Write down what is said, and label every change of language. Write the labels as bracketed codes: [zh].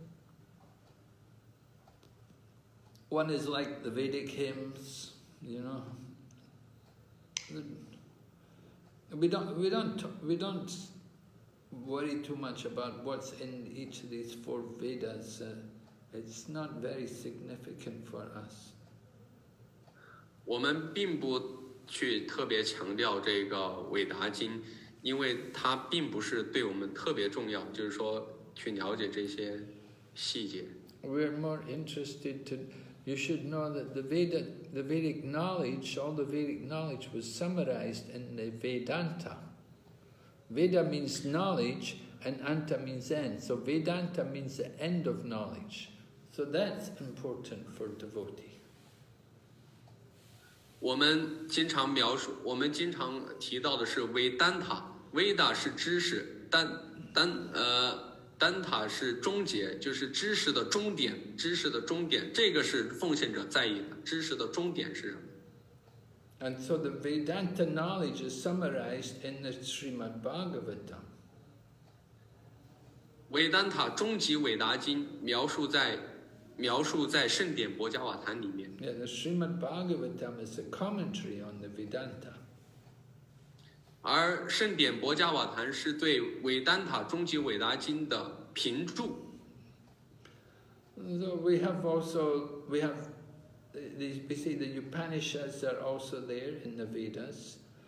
[en] Yeah. One is like the Vedic hymns, you know. We don't worry too much about what's in each of these four Vedas. It's not very significant for us. [zh] 我们并不去特别强调这个韦达经，因为它并不是对我们特别重要，就是说去了解这些细节。 [en] We're more interested to... You should know that all the Vedic knowledge was summarized in the Vedanta. Veda means knowledge and anta means end. So Vedanta means the end of knowledge. So that's important for devotee. [zh] 我们经常提到的是 Vedanta. Veda 是知识， Danta 是终结，就是知识的终点，知识的终点，这个是奉献者在意的，知识的终点是什么。 [en] And so the Vedanta knowledge is summarized in the Srimad Bhagavatam. [zh] Vedanta 终极伟达经描述在圣典博伽瓦坛里面。 [en] Yeah, the Srimad Bhagavatam is a commentary on the Vedanta. [zh] 而圣典博伽瓦坛是对韦丹塔终极韦达经的评注。 [en] So we have also, we have, we see the Upanishads are also there in the Vedas.